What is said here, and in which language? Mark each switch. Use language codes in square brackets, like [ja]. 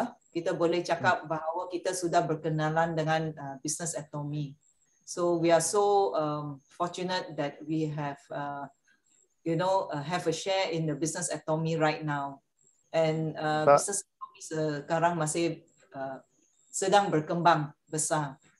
[ms] Kita boleh cakap bahawa kita sudah berkenalan dengan business atomy. [en] So we are so fortunate that we have have a share in the business atomy right now. [ms] And business atomy sekarang masih sedang berkembang besar.